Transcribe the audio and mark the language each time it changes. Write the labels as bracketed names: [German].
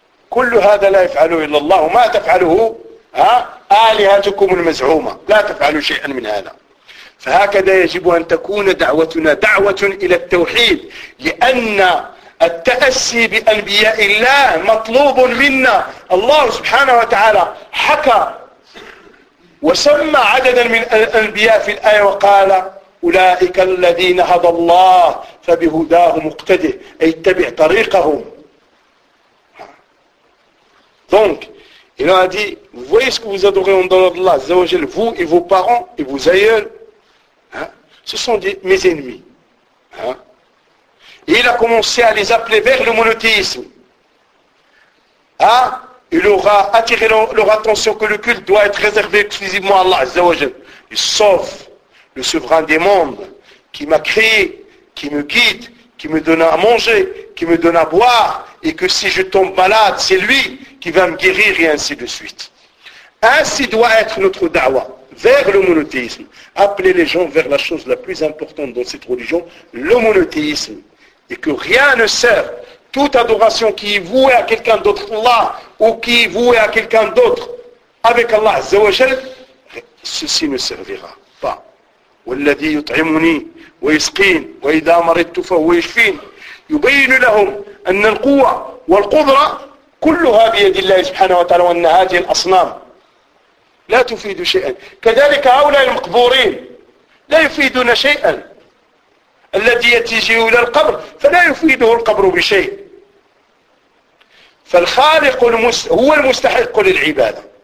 [Arabic] كل هذا لا يفعله إلا الله وما تفعله آلهتكم المزعومة لا تفعلوا شيئا من هذا فهكذا يجب أن تكون دعوتنا دعوة إلى التوحيد لأن التأسي بأنبياء الله مطلوب منا الله سبحانه وتعالى حكى وسمى عددا من الأنبياء في الآية وقال أولئك الذين هدى الله فبهداه مقتده أي اتبع طريقهم [French] Donc, il a dit, vous voyez ce que vous adorez en dehors d'Allah, Zawajel, vous et vos parents et vos aïeuls, hein, ce sont mes ennemis. Hein. Et il a commencé à les appeler vers le monothéisme. Hein. Il aura attiré leur attention que le culte doit être réservé exclusivement à Allah, Zawajel, sauf le souverain des mondes qui m'a créé, qui me guide, qui me donne à manger, qui me donne à boire, et que si je tombe malade, c'est lui qui va me guérir, et ainsi de suite. Ainsi doit être notre dawa vers le monothéisme. Appeler les gens vers la chose la plus importante dans cette religion, le monothéisme. Et que rien ne sert, toute adoration qui est vouée à quelqu'un d'autre, Allah, ou qui est vouée à quelqu'un d'autre, avec Allah, Azza wa Jal, ceci ne servira pas. [Arabic] وَالَّذِي يُطْعِمُنِي وَيَسْقِينِ وَإِذَا مَرِضْتُ فَهُوَ يَشْفِينِ يُبَيِّنُ لَهُمْ أَنَّ الْقُوَّةَ وَالْقُدْرَةَ كلها بيد الله سبحانه وتعالى وأن هذه الأصنام لا تفيد شيئا كذلك هؤلاء المقبورين لا يفيدون شيئا الذي يتجه إلى القبر فلا يفيده القبر بشيء فالخالق هو المستحق للعبادة